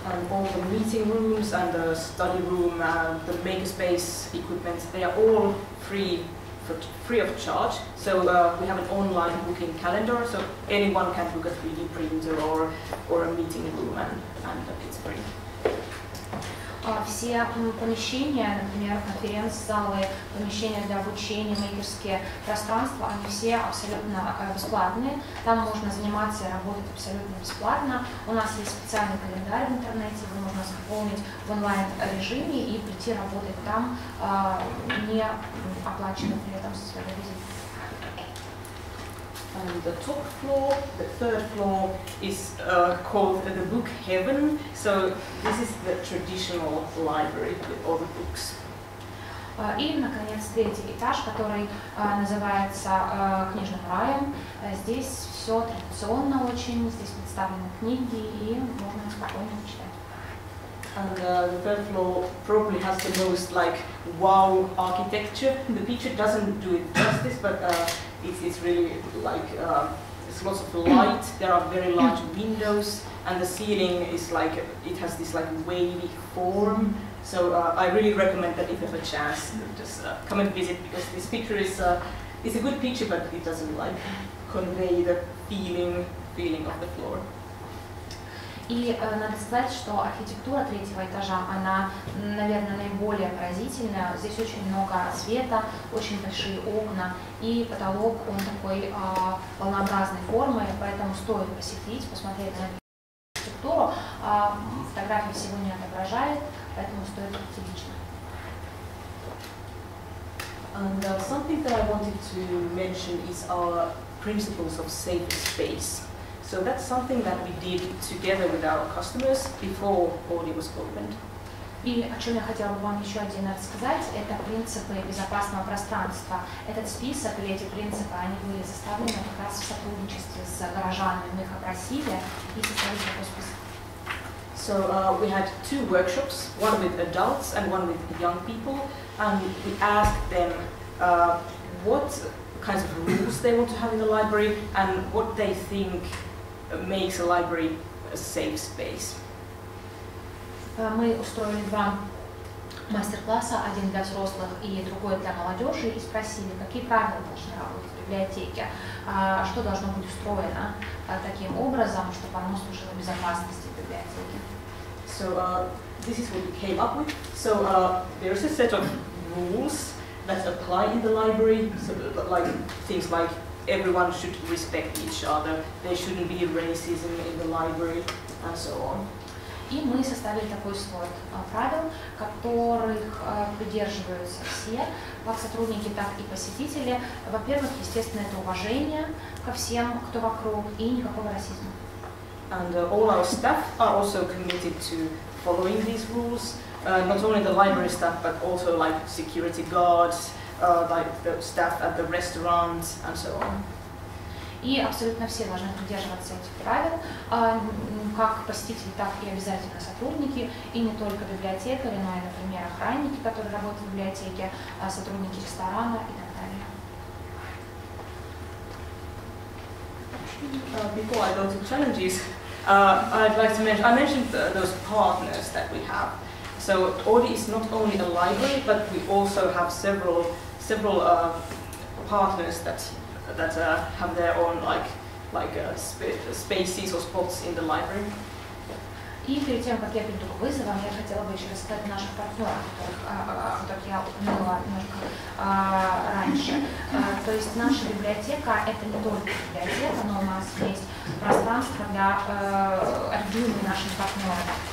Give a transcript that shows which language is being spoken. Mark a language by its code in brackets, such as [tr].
[en] All the meeting rooms and the study room, the makerspace equipment, they are all free of charge. So we have an online booking calendar, so anyone can book a 3D printer or a meeting room, and it's free. [ru] Все помещения, например, конференц-залы, помещения для обучения, мейкерские пространства, они все абсолютно бесплатные. Там можно заниматься и работать абсолютно бесплатно. У нас есть специальный календарь в интернете, его можно заполнить в онлайн-режиме и прийти работать там, не оплачивая при этом со своего визита. [en] And the top floor, the third floor, is called the Book Heaven. So this is the traditional library with all the books. [ru] И, наконец, третий этаж, который называется книжным раем. Здесь все традиционно очень, здесь представлены книги, и можно спокойно читать. [en] And the third floor probably has the most like wow architecture. The picture doesn't do it justice, but it's really like it's lots of light. There are very large windows, and the ceiling is like it has this like wavy form. So I really recommend that if you have a chance, just come and visit, because this picture is a good picture, but it doesn't like convey the feeling of the floor. [ru] И надо сказать, что архитектура третьего этажа, она, наверное, наиболее поразительная. Здесь очень много света, очень большие окна, и потолок, он такой волнообразной формы, поэтому стоит посетить, посмотреть на архитектуру. Фотографии всего не отображает, поэтому стоит прийти лично. [en] And something that I wanted to mention is our principles of safe space. So that's something that we did together with our customers before Oodi was opened. [ru] И о чем я хотела бы вам еще один раз сказать, это принципы безопасного пространства. Этот список или эти принципы, они были составлены как раз в сотрудничестве с горожанами. Мы их опросили и составили такой список. [en] So we had two workshops, one with adults and one with young people, and we asked them what kinds of rules they want to have in the library and what they think makes a library a safe space. [ru] Мы устроили два мастер-класса, один для взрослых и другой для молодежи, и спросили, какие правила должны работать в библиотеке, что должно быть устроено таким образом, чтобы оно служило безопасности библиотеки. [en] So this is what we came up with. So there is a set of rules that apply in the library. So like things like everyone should respect each other. There shouldn't be racism in the library, and so on. [ru] И мы составили такой свод правил, которых придерживаются все, как сотрудники, так и посетители. Во-первых, естественно, это уважение ко всем, кто вокруг, и никакого расизма. [en] And all our staff are also committed to following these rules, not only the library staff, but also like security guards, like the staff at the restaurants, and so on. [ru] И абсолютно все должны придерживаться этих правил, как посетители, так и обязательно сотрудники, и не только библиотекари, но и, например, охранники, которые работают в библиотеке, сотрудники ресторана и так далее. [en] Before I go to challenges, I'd like to mention, I mentioned those partners that we have. So Oodi is not only a library, but we also have several partners that have their own spaces or spots in the library. [ru] И перед тем, как я перейду к вызовам, я хотела бы еще рассказать о наших партнерах, которых я упомянула немножко раньше. То есть наша библиотека — это не только библиотека, но у нас есть пространство для арендуемых наших партнеров.